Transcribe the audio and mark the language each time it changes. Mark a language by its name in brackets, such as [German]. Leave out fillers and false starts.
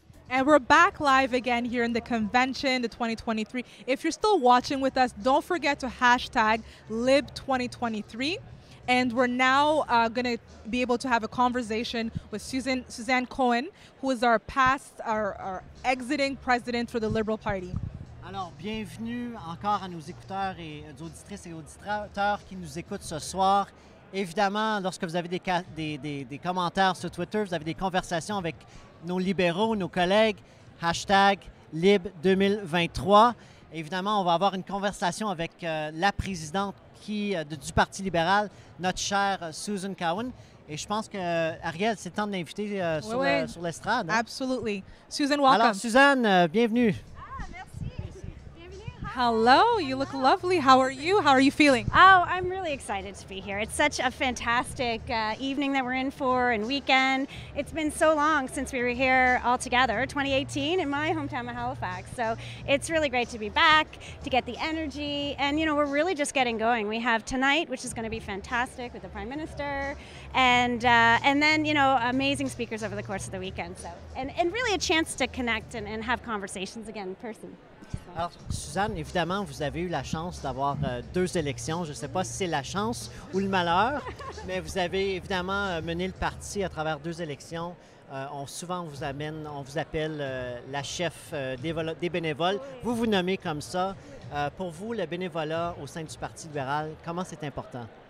[English] And we're back live again here in the convention, the 2023. If you're still watching with us, don't forget to hashtag Lib2023. And we're now going to be able to have a conversation with Suzanne Cowan, who is our past, our exiting president for the Liberal Party. [French] Alors, bienvenue encore à nos écouteurs et auditrices et auditeurs qui nous écoutent ce soir. Évidemment, lorsque vous avez des commentaires sur Twitter, vous avez des conversations avec nos libéraux, nos collègues, hashtag Lib2023. Évidemment, on va avoir une conversation avec la présidente du Parti libéral, notre chère Suzanne Cowan. Et je pense que Ariel, c'est temps de l'inviter sur l'estrade. [English] Absolutely. Suzanne, welcome. [French] Alors, Suzanne, bienvenue. Ah, merci. Bienvenue. [English] Hello, you look lovely. How are you? How are you feeling? Oh, I'm really excited to be here. It's such a fantastic evening that we're in for and weekend. It's been so long since we were here all together, 2018, in my hometown of Halifax. So it's really great to be back, to get the energy. And, you know, we're really just getting going. We have tonight, which is going to be fantastic, with the Prime Minister. And then, you know, amazing speakers over the course of the weekend. So and really a chance to connect and have conversations again in person. [French] Alors, Suzanne, évidemment, vous avez eu la chance d'avoir deux élections. Je ne sais pas si c'est la chance ou le malheur, mais vous avez évidemment mené le parti à travers deux élections. On vous appelle la chef des bénévoles. Vous vous nommez comme ça. Pour vous, le bénévolat au sein du Parti libéral, comment c'est important?